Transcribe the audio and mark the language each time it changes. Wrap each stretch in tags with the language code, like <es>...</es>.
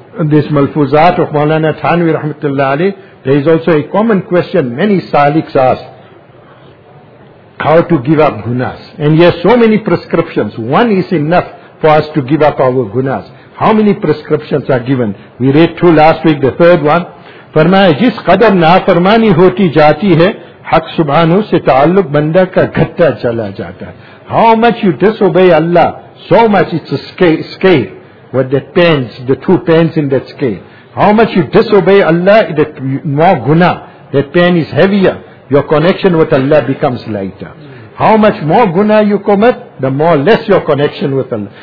<en>This malfuzat of Maulana Thanvi Rahmatullah Alayh, There is also a common question many saliks ask. How to give up gunas? And he has so many prescriptions. One is enough for us to give up our gunas. How many prescriptions are given? We read through last week the third one.</en> <ur>فرمایا جس قدر نافرمانی ہوتی جاتی ہے حق سبحانہ سے تعلق بندہ کا گھٹا چلا جاتا ہے.</ur> <en>How much you disobey Allah, so much it's a scale. What the pens, the two pens in that scale. How much you disobey Allah, the more guna, that pen is heavier, your connection with Allah becomes lighter. How much more guna you commit, the more less your connection with Allah.</en>